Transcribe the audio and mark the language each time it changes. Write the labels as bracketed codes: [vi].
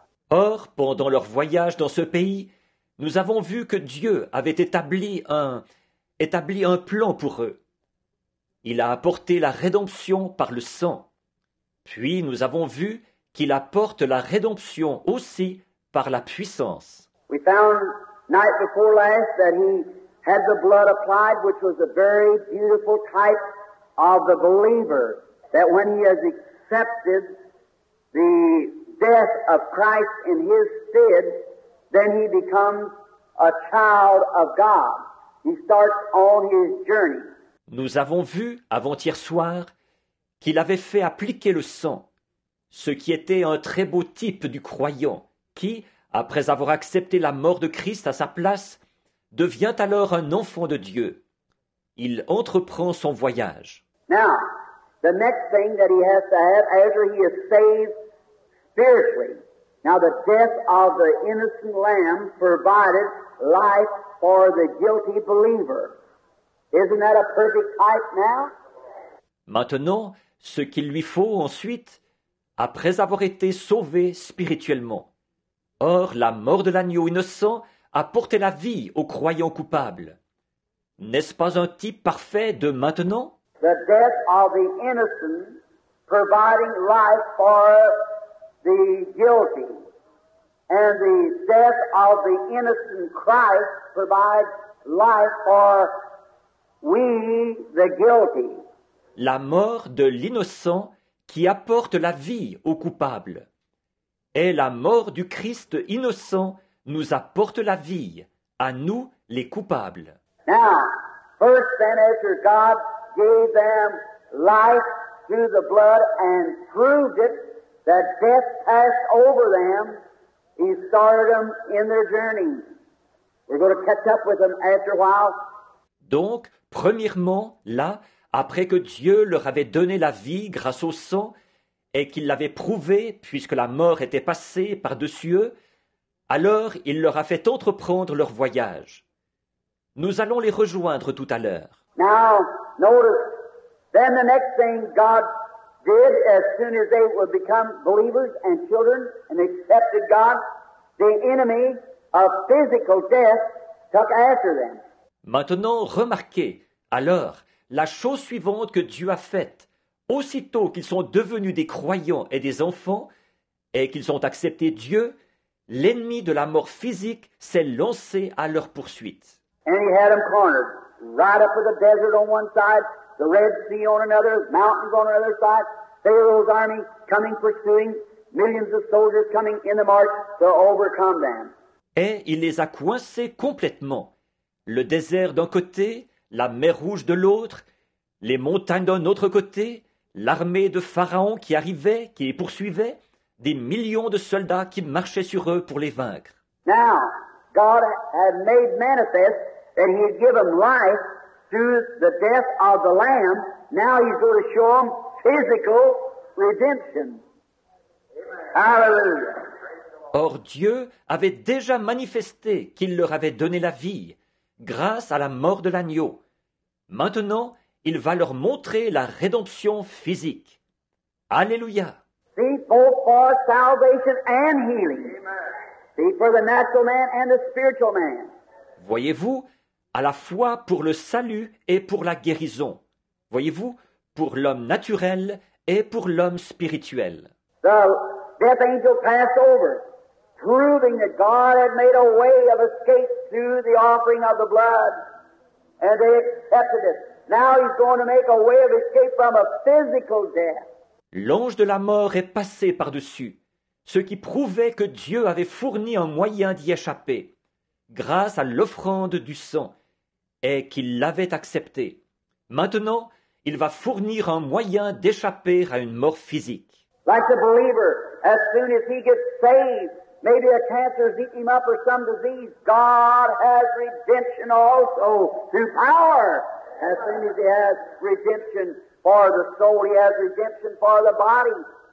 [fr] Or, pendant leur voyage dans ce pays, nous avons vu que Dieu avait établi un plan pour eux. Il a apporté la rédemption par le sang. Puis nous avons vu qu'il apporte la rédemption aussi par la puissance. [en] We found night before last that He had the blood applied, which was a very beautiful type of the believer, that when he has accepted the death of Christ in his stead, then he becomes a child of God. He starts on his journey. [fr] Nous avons vu avant-hier soir qu'il avait fait appliquer le sang, ce qui était un très beau type du croyant qui, après avoir accepté la mort de Christ à sa place, devient alors un enfant de Dieu. Il entreprend son voyage. [en] Now, the next thing that he has to have after he is saved spiritually. Now, the death of the innocent lamb provided life for the guilty believer. Isn't that a perfect type now? [fr] Maintenant, ce qu'il lui faut ensuite, après avoir été sauvé spirituellement. Or, la mort de l'agneau innocent a porté la vie aux croyants coupables. N'est-ce pas un type parfait de maintenant? [en] The death of the innocent providing life for the guilty. And the death of the innocent Christ provides life for we, the guilty. [fr] La mort de l'innocent qui apporte la vie aux coupables. Et la mort du Christ innocent nous apporte la vie, à nous les coupables. [en] Now, first then after God gave them life through the blood and proved it, that death passed over them, he started them in their journey. We're going to catch up with them after a while. [fr] Donc, premièrement, là, après que Dieu leur avait donné la vie grâce au sang et qu'il l'avait prouvé puisque la mort était passée par-dessus eux, alors il leur a fait entreprendre leur voyage. Nous allons les rejoindre tout à l'heure. [en] Now, notice, then the next thing God did as soon as they would become believers and children and accepted God, the enemy of physical death took after them. [fr] Maintenant, remarquez, alors, la chose suivante que Dieu a faite, aussitôt qu'ils sont devenus des croyants et des enfants, et qu'ils ont accepté Dieu, l'ennemi de la mort physique s'est lancé à leur poursuite. [en] And he had them cornered, right up to the desert on one side, the Red Sea on another, mountains on another side, Pharaoh's army coming, pursuing, millions of soldiers coming in the march to overcome them. [fr] Et il les a coincés complètement. Le désert d'un côté, la mer Rouge de l'autre, les montagnes d'un autre côté, l'armée de Pharaon qui arrivait, qui les poursuivait, des millions de soldats qui marchaient sur eux pour les vaincre. [en] Now, God had made manifest that he had given life through the death of the Lamb. Now he's going to show them physical redemption. Hallelujah. [fr] Or Dieu avait déjà manifesté qu'il leur avait donné la vie grâce à la mort de l'agneau. Maintenant, il va leur montrer la rédemption physique. Alléluia. [en] See, both for salvation and healing. See, for the natural man and the spiritual man. [fr] Voyez-vous, à la fois pour le salut et pour la guérison. Voyez-vous, pour l'homme naturel et pour l'homme spirituel. [en] The death angel passed over, proving that God had made a way of escape through the offering of the blood. And they accepted it. Now he's going to make a way of escape from a physical death. [fr] L'ange de la mort est passé par-dessus, ce qui prouvait que Dieu avait fourni un moyen d'y échapper, grâce à l'offrande du sang, et qu'il l'avait accepté. Maintenant, il va fournir un moyen d'échapper à une mort physique. [en] Like the believer, as soon as he gets saved, maybe a cancer has eaten him up or some disease. God has redemption also through power. As soon as he has redemption for the soul, he has redemption for the body.